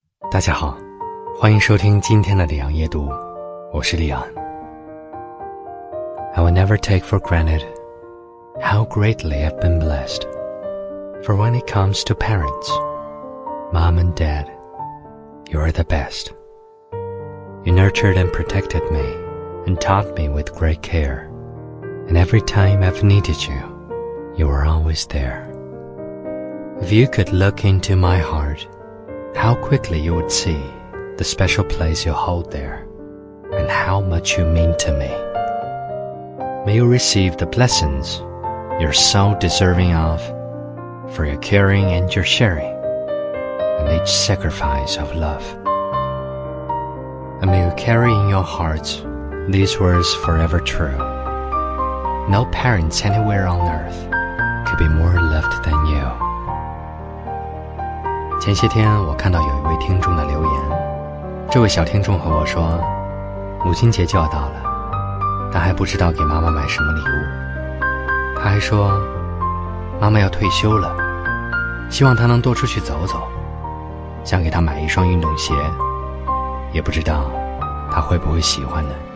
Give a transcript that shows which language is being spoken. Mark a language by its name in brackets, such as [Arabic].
[Chinese] 大家好，欢迎收听今天的李昂夜读，我是李昂。 [English] I will never take for granted how greatly I've been blessed. For when it comes to parents, mom and dad, you are the best. You nurtured and protected me and taught me with great care. And every time I've needed you, you were always there. If you could look into my heart,How quickly you would see the special place you hold there, and how much you mean to me. May you receive the blessings you're so deserving of for your caring and your sharing, and each sacrifice of love. And may you carry in your hearts these words forever true. No parents anywhere on earth could be more loved than you. [Chinese] 前些天我看到有一位听众的留言，这位小听众和我说，母亲节就要到了，他还不知道给妈妈买什么礼物。他还说，妈妈要退休了，希望她能多出去走走，想给她买一双运动鞋，也不知道她会不会喜欢呢。